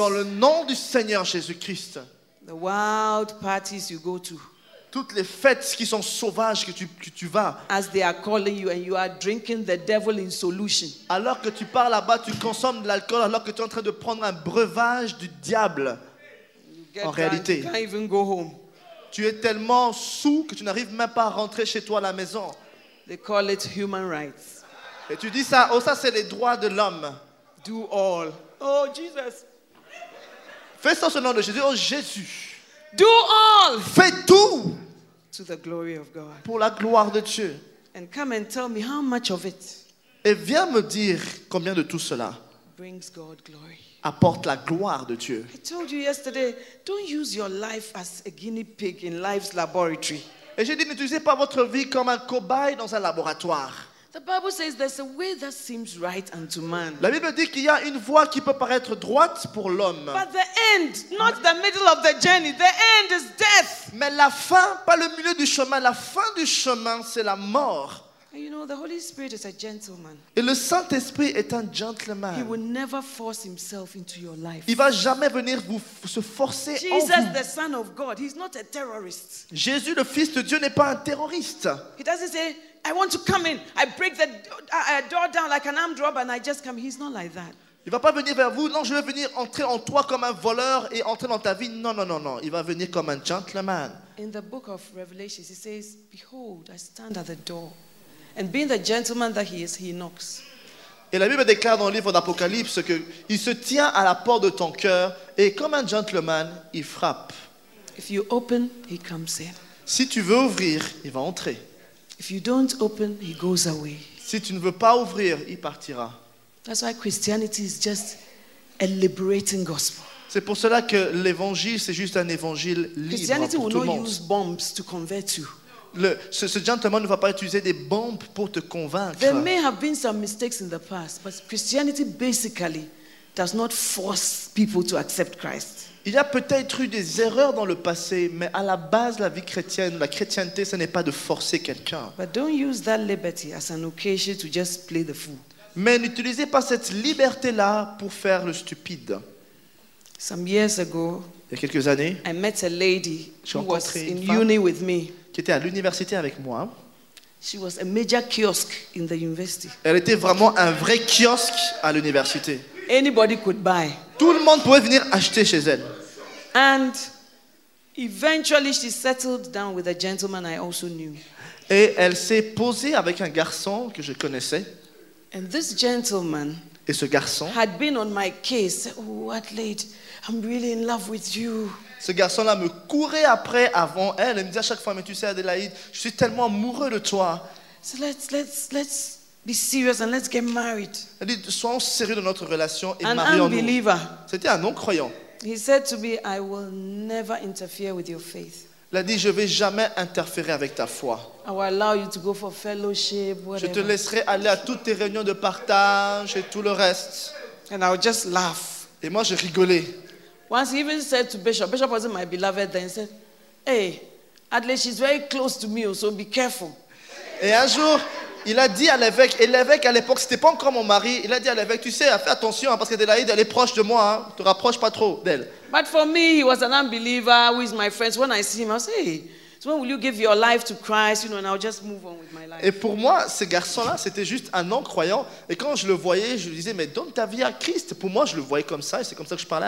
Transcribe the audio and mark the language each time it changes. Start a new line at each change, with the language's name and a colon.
French: Dans le nom du Seigneur Jésus-Christ.
English: The wild parties you go to.
French: Toutes les fêtes qui sont sauvages que tu vas.
English: As they are calling you and you are drinking the devil in solution.
French: Alors que tu pars là-bas, tu consommes de l'alcool alors que tu es en train de prendre un breuvage du diable. En réalité,
English: you can't even go home.
French: Tu es tellement sous que tu n'arrives même pas à rentrer chez toi à la maison.
English: They call it human rights.
French: Et tu dis ça, oh ça c'est les droits de l'homme.
English: Do all. Oh Jesus.
French: Fais ça au nom de Jésus. Oh Jésus.
English: Do all.
French: Fais tout.
English: To the glory of God.
French: Pour la gloire de Dieu.
English: And come and tell me how much of it.
French: Et viens me dire combien de tout cela.
English: Brings God glory.
French: Apporte la gloire de Dieu.
English: I told you yesterday, don't use your life as a guinea pig in life's laboratory.
French: Et j'ai dit, n'utilisez pas votre vie comme un cobaye dans un laboratoire.
English: The Bible says there's a way that seems right unto man.
French: La Bible dit qu'il y a une voie qui peut paraître droite pour l'homme.
English: But the end, not the middle of the journey, the end is death.
French: Mais la fin, pas le milieu du chemin, la fin du chemin, c'est la mort.
English: And you know, the Holy Spirit is a gentleman.
French: Et le Saint-Esprit est un gentleman.
English: He will never force himself into your life.
French: Il va jamais venir vous se forcer
English: Jesus,
French: en vous.
English: Jesus, the Son of God, he's not a terrorist.
French: Jésus, le Fils de Dieu, n'est pas un terroriste.
English: He doesn't say, I want to come in. I break the door down like an armed robber and I just come. He's not like that.
French: Il va pas venir vers vous. Non, je vais venir entrer en toi comme un voleur et entrer dans ta vie. Non. Il va venir comme un gentleman.
English: In the book of Revelation, he says, behold, I stand at the door. And being the gentleman that he is, he knocks.
French: Et la Bible déclare dans le livre d'Apocalypse qu'il se tient à la porte de ton cœur et comme un gentleman, il frappe.
English: If you open, he comes in.
French: Si tu veux ouvrir, il va entrer.
English: If you don't open, he goes away.
French: Si tu ne veux pas ouvrir, il partira.
English: That's why Christianity is just a liberating gospel.
French: C'est pour cela que l'évangile, c'est juste un évangile libre pour tout le monde.
English: Christianity will not use bombs to convert you.
French: Ce gentleman ne va pas utiliser des bombes pour te convaincre.
English: There may have been some mistakes in the past, but Christianity basically does not force people to accept Christ.
French: Il y a peut-être eu des erreurs dans le passé, mais à la base, la vie chrétienne, la chrétienté, ce n'est pas de forcer quelqu'un.
English: But don't use that liberty as an occasion to just play the fool.
French: Mais n'utilisez pas cette liberté-là pour faire le stupide.
English: Some years ago,
French: il y a quelques années,
English: I met a lady who was in uni with me.
French: Qui était à l'université avec moi.
English: She was a major kiosk in the university.
French: Elle était vraiment un vrai kiosque à l'université.
English: Anybody could buy.
French: Tout le monde pouvait venir acheter chez elle.
English: And eventually she settled down with a gentleman I also knew.
French: Et elle s'est posée avec un garçon que je connaissais.
English: And this gentleman
French: et ce garçon
English: had been on my case. Oh, Adelaide, I'm really in love with you.
French: Ce garçon-là me courait après avant elle et me disait à chaque fois, mais tu sais Adélaïde, je suis tellement amoureux de toi.
English: So let's be serious and let's get married.
French: Elle dit, soyons sérieux dans notre relation et
English: an
French: marions-nous.
English: Unbeliever.
French: C'était un non-croyant.
English: He said to me, I will never interfere with your faith.
French: Il a dit, je ne vais jamais interférer avec ta foi.
English: I will allow you to go for fellowship, whatever.
French: Je te laisserai aller à toutes tes réunions de partage et tout le reste.
English: And I will just laugh.
French: Et moi, je rigolais.
English: Once he even said to Bishop, Bishop wasn't my beloved then, he said, hey, Adley, she's very close to me, so be careful.
French: Et un jour, il a dit à l'évêque, et l'évêque à l'époque, c'était pas encore mon mari, il a dit à l'évêque, tu sais, fais attention, hein, parce que Adelaide, elle est proche de moi, hein, te rapproche pas trop d'elle.
English: But for me, he was an unbeliever who is my friend. So when I see him, I say, hey, so when will you give your life to Christ, you know, and I'll just move on with my life.
French: Et pour moi, ce garçon-là, c'était juste un non-croyant. Et quand je le voyais, je lui disais, mais donne ta vie à Christ. Pour moi, je le voyais comme ça, et c'est comme ça que je parlais